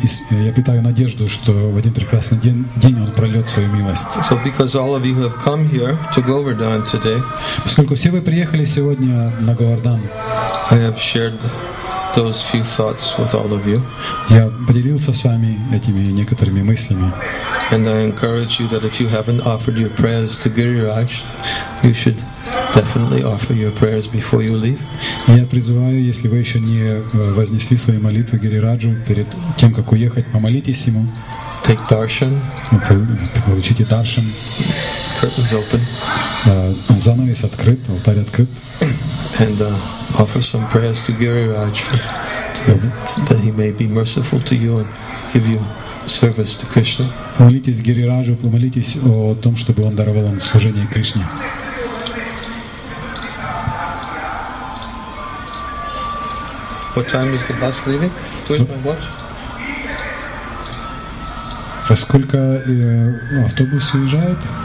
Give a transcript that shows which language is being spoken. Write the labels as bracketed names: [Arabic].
[Russian] Я питаю надежду, что в один прекрасный день он прольет свою милость. [English] So because all of you have come here to Govardhan today, [Russian] поскольку все вы приехали сегодня на Говардан, [English] I have shared those few thoughts with all of you. [Russian] Я поделился с вами этими некоторыми мыслями. [English] And I encourage you that if you haven't offered your prayers to Giriraj, you should definitely offer your prayers before you leave. [Russian] Я призываю, если вы еще не вознесли свои молитвы Гирираджу перед тем, как уехать, помолитесь ему. [English] Take darshan. [Russian] Получите даршан. [English] Curtains open. [Russian] Занавес открыт, алтарь открыт. [English] And offer some prayers to Giriraj that he may be merciful to you and give you service to Krishna. [Russian] Помолитесь Гирираджу, помолитесь о том, чтобы он даровал вам служение Кришне. [English] What time is the bus leaving? Where's my watch? [Russian] Во сколько автобус уезжает?